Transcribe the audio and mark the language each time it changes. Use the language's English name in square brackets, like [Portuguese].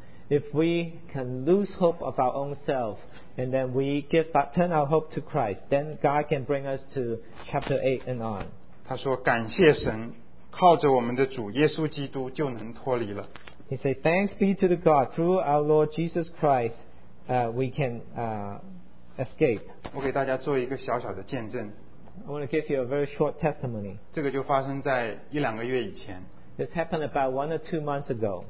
[English] If we can lose hope of our own self, and then we turn our hope to Christ, then God can bring us to chapter 8 and on. [Chinese] 他说：“感谢神，靠着我们的主耶稣基督就能脱离了。” [English] He said, "Thanks be to the God through our Lord Jesus Christ, we can escape." [Chinese] 我给大家做一个小小的见证。 [English] I want to give you a very short testimony. [Chinese] 这个就发生在一两个月以前。 [English] This happened about 1 or 2 months ago.